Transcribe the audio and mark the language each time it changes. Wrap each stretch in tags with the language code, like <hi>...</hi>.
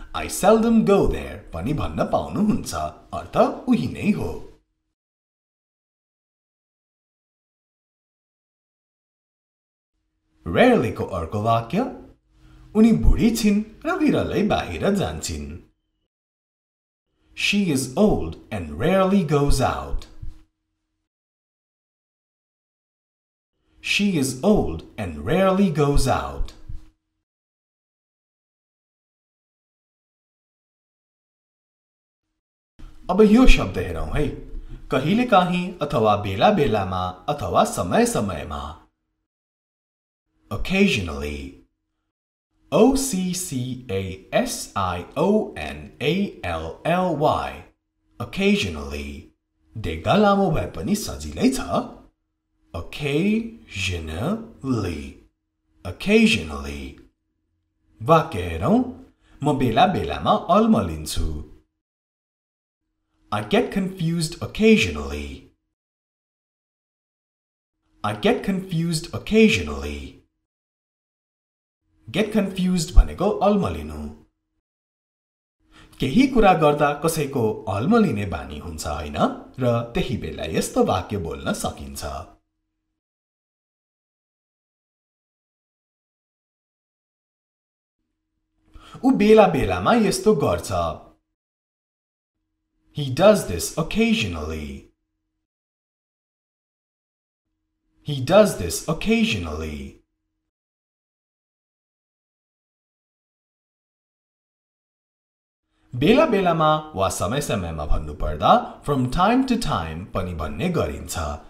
<en>I seldom go there.</en> <ne>पनि भन्न पाउनुहुन्छ अर्थ उही नै हो Rarely को अर्को वाक्य उनी बुढी छिन् र विरलै बाहिर जान्छिन्</ne> <en>She is old and rarely goes out. She is old and rarely goes out.</en> <ne>अब यो शब्द हेरौं है कहिले काहीँ अथवा बेला बेलामा अथवा समय समयमा</ne> <en>occasionally o c c a s I o n a l l y occasionally</en> <ne>देख्दा लामो भए पनि सजिलै छ</ne> <en>occasionally occasionally</en> <ne>वाक्य हेरौं म बेला बेलामा अल्मलिन्छु</ne> <en>I get confused occasionally. I get confused occasionally.</en> <ne>Get confused भनेको अल्मलिनु. केही कुरा गर्दा कसैको अल्मलिने बानी हुन्छ हैन र त्यही बेला यस्तो वाक्य बोल्न सकिन्छ. उ बेला बेलामा यस्तो गर्छ.</ne> <en>He does this occasionally. He does this occasionally.</en> <ne>Bela bela ma wa samay samay ma bhannu parda</ne> <en>from time to time</en> <ne>pani bhanne garincha.</ne>